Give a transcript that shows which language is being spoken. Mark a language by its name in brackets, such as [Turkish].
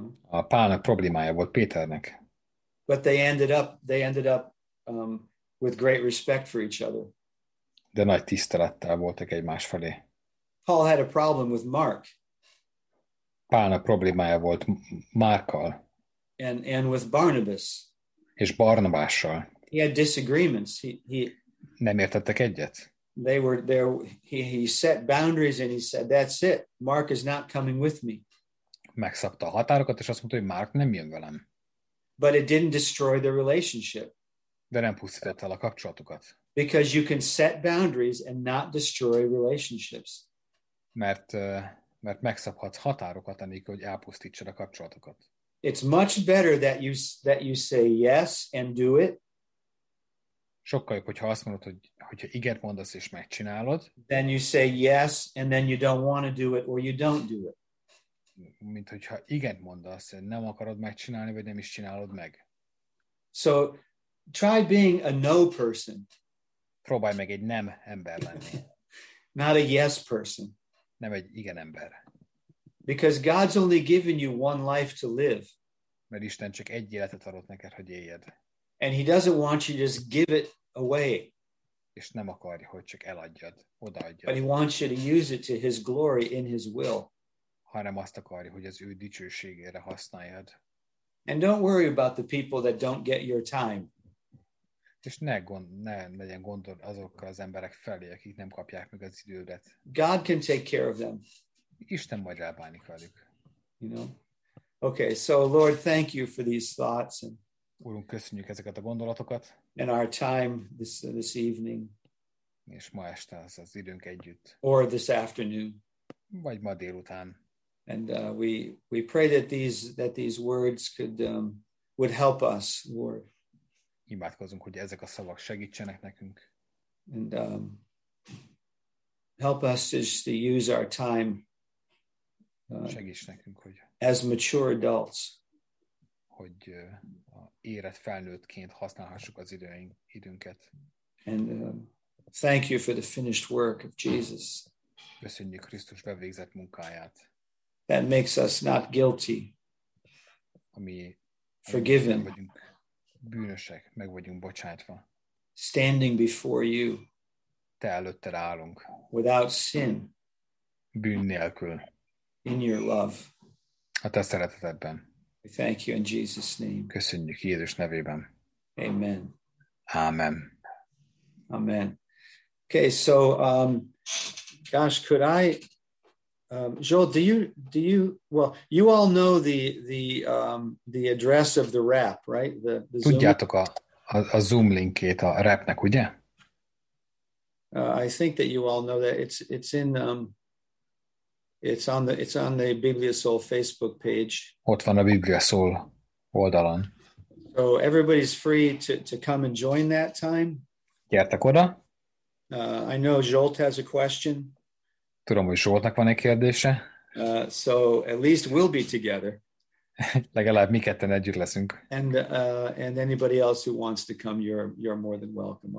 [Hungarian] A Pálnak problémája volt Péternek. [English] But they ended up with great respect for each other. [Hungarian] De nagy tisztelettel voltak egymás felé. [English] Paul had a problem with Mark. [Hungarian] Pálnak problémája volt Márkkal. [English] And with Barnabas. [Hungarian] És Barnabással. [English] He had disagreements. He [Hungarian] nem értettek egyet. [English] They were there. He set boundaries and he said, "That's it. Mark is not coming with me." [Hungarian] Megszabta a határokat, és azt mondta, hogy Mark nem jön velem. [English] But it didn't destroy the relationship. [Hungarian] De nem pusztította el a kapcsolatukat. [English] Because you can set boundaries and not destroy relationships. [Hungarian] Mert megszabhatsz határokat, anélkül, hogy elpusztítsad a kapcsolatokat. [English] It's much better that you say yes and do it. [Hungarian] Sokkal jobb, hogyha azt mondod, hogyha igen mondasz és megcsinálod. [English] Then you say yes, and then you don't want to do it, or you don't do it. [Hungarian] Mint hogyha igen mondasz, nem akarod megcsinálni, vagy nem is csinálod meg. [English] So, try being a no person. [Hungarian] Próbálj meg egy nem ember lenni. [English] Not a yes person. [Hungarian] Nem egy igen ember. [English] Because God's only given you one life to live. [Hungarian] Mert Isten csak egy életet adott neked, hogy éljed. [English] And he doesn't want you to just give it away. [Hungarian] És nem akarja, hogy csak eladjad, odaadjad. [English] But he wants you to use it to his glory in his will. [Hungarian] Hanem azt akarja, hogy az ő dicsőségére használjad. [English] And don't worry about the people that don't get your time. [Hungarian] És ne legyen gondod azokkal az emberek felé, akik nem kapják meg az idődet. [English] God can take care of them. [Hungarian] Isten majd rábánik velük. [English] You know? Okay, so Lord, thank you for these thoughts. [Hungarian] Úrunk, köszönjük ezeket a gondolatokat. [English] And our time this evening. [Hungarian] És ma este az időnk együtt. [English] Or this afternoon. [Hungarian] Vagy ma délután. [English] And we pray that these words would help us, Lord. [Hungarian] Imádkozunk, hogy ezek a szavak segítsenek nekünk. [English] And help us just to use our time. [Hungarian] Segíts nekünk, hogy [English] as mature adults. [Hungarian] Hogy érett felnőttként használhassuk az időnket. [English] And thank you for the finished work of Jesus. [Hungarian] Köszönjük Krisztus bevégzett munkáját. [English] That makes us not guilty. [Hungarian] Ami [English] forgiven. [Hungarian] Vagyunk bűnösek, meg vagyunk bocsátva. [English] Standing before you. [Hungarian] Te előtted állunk. [English] Without sin. [Hungarian] Bűn nélkül. [English] In your love. [Hungarian] A te szeretetedben. [English] We thank you in Jesus' name. [Hungarian] Köszönjük Jézus nevében. [English] Amen. [Hungarian] Amen. [English] Amen. Okay, so gosh, could I Joel, do you well, you all know the address of the rap, right? The Zoom. [Hungarian] Tudjátok a Zoom linkét a rapnek, ugye? [English] I think that you all know that it's in it's on the Bibliasol Facebook page. [Hungarian] Ott van a Bibliasol oldalon. [English] So everybody's free to come and join that time. [Hungarian] Gyertek oda. [English] I know Zsolt has a question. [Hungarian] Tudom, hogy Zsoltnak van egy kérdése. [English] So at least we'll be together. [Hungarian] Legalább mi ketten együtt leszünk. [English] And anybody else who wants to come, you're more than welcome.